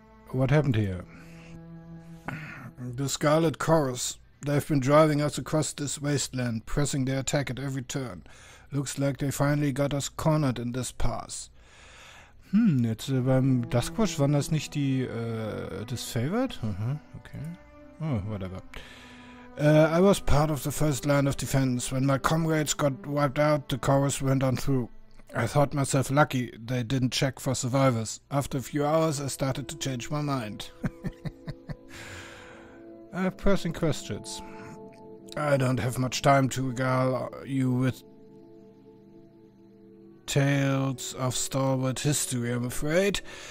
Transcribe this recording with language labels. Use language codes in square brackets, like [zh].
[en] What happened here? The Scarlet Chorus. They've been driving us across this wasteland, pressing their attack at every turn. Looks like they finally got us cornered in this pass. [de] Jetzt beim Duskwatch waren das nicht die Disfavored? [en] Okay. Oh, whatever. I was part of the first line of defense. When my comrades got wiped out, the chorus went on through. I thought myself lucky they didn't check for survivors. After a few hours, I started to change my mind. I have pressing questions. I don't have much time to regale you with tales of stalwart history, I'm afraid.